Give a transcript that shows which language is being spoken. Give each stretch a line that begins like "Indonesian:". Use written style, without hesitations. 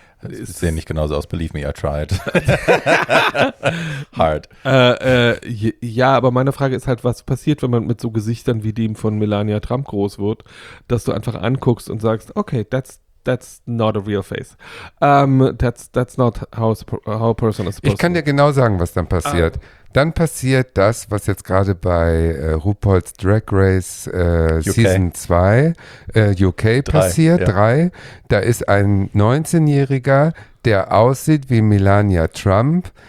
German: Sie sehen nicht genauso aus,
English: believe me, I tried. Hard.
German: Ja, aber meine Frage ist halt, was passiert, wenn man mit so Gesichtern wie dem von Melania Trump groß wird, dass du einfach anguckst und sagst, okay,
English: that's not a real face. That's not how a person is supposed
German: to. Ich kann dir genau sagen, was dann passiert. Dann passiert das, was jetzt gerade bei RuPaul's Drag Race Season 2 UK passiert, 3. Ja. Da ist ein 19-Jähriger, der aussieht wie Melania Trump.